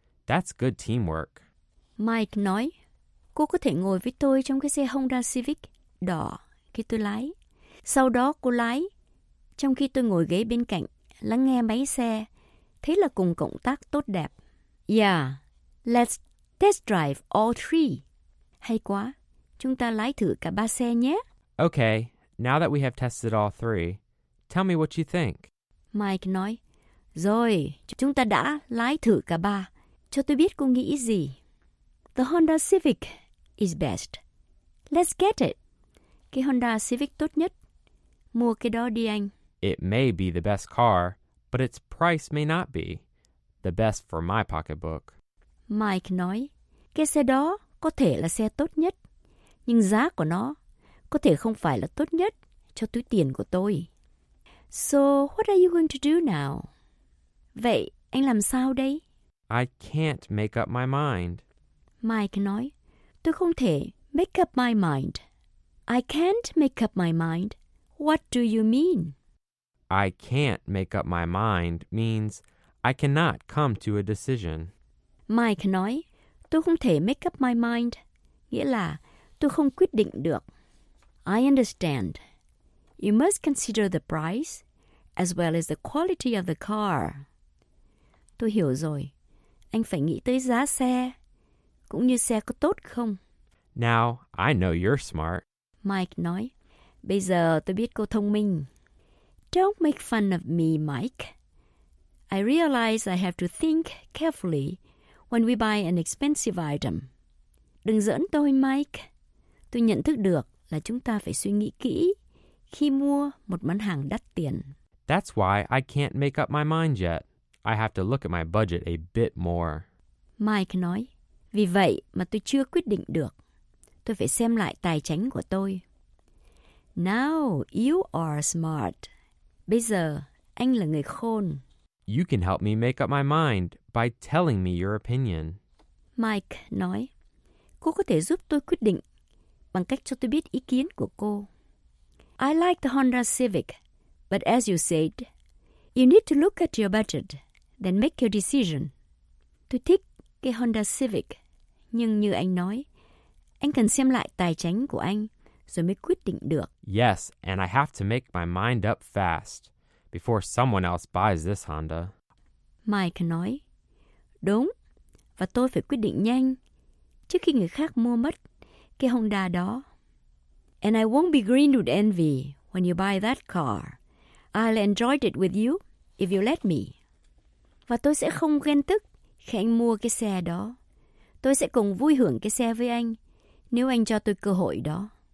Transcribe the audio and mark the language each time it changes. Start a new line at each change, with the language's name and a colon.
English: That's good teamwork.
Vietnamese: Mike nói, cô có thể ngồi với tôi trong cái xe Honda Civic đỏ khi tôi lái. Sau đó cô lái, trong khi tôi ngồi ghế bên cạnh, lắng nghe máy xe. Thế là cùng cộng tác tốt đẹp.
English: Yeah, let's test drive all three.
Vietnamese: Hay quá. Chúng ta lái thử cả ba xe nhé.
English: Okay, now that we have tested all three, tell me what you think.
Vietnamese: Mike nói, rồi, chúng ta đã lái thử cả ba. Cho tôi biết cô nghĩ gì.
English: The Honda Civic is best. Let's get it.
Vietnamese: Cái Honda Civic tốt nhất. Mua cái đó đi anh.
English: It may be the best car, but its price may not be the best for my pocketbook.
Vietnamese: Mike nói, cái xe đó có thể là xe tốt nhất. Nhưng giá của nó có thể không phải là tốt nhất cho túi tiền của tôi.
English: So, what are you going to do now?
Vietnamese: Vậy, anh làm sao đây?
English: I can't make up my mind.
Vietnamese: Mike nói, tôi không thể
English: make up my mind. I can't make up my mind. What do you mean? I can't make up my mind means I cannot come to a decision.
Vietnamese: Mike nói, tôi không thể
English: make up my mind.
Vietnamese: Nghĩa là, tôi không quyết định được.
English: I understand. You must consider the price as well as the quality of the car.
Vietnamese: Tôi hiểu rồi. Anh phải nghĩ tới giá xe, cũng như xe có tốt không.
English: Now, I know you're smart.
Vietnamese: Mike nói, bây giờ tôi biết cô thông minh.
English: Don't make fun of me, Mike. I realize I have to think carefully when we buy an expensive item.
Vietnamese: Đừng giỡn tôi, Mike. Tôi nhận thức được là chúng ta phải suy nghĩ kỹ khi mua một món hàng đắt tiền.
English: That's why I can't make up my mind yet. I have to look at my budget a bit more.
Vietnamese: Mike nói, vì vậy mà tôi chưa quyết định được. Tôi phải xem lại tài chính của tôi.
English: Now you are smart.
Vietnamese: Bây giờ, anh là người khôn.
English: You can help me make up my mind by telling me your opinion.
Vietnamese: Mike nói, cô có thể giúp tôi quyết định bằng cách cho tôi biết ý kiến của cô.
English: I like the Honda Civic, but as you said, you need to look at your budget, then make your decision.
Vietnamese: Tôi thích cái Honda Civic, nhưng như anh nói, anh cần xem lại tài chính của anh rồi mới quyết định được.
English: Yes, and I have to make my mind up fast before someone else buys this Honda.
Vietnamese: Mike nói, đúng, và tôi phải quyết định nhanh trước khi người khác mua mất cái Honda đó.
English: And I won't be green with envy when you buy that car. I'll enjoy it with you if you let me.
Vietnamese: Và tôi sẽ không ghen tức khi anh mua cái xe đó. Tôi sẽ cùng vui hưởng cái xe với anh nếu anh cho tôi cơ hội đó.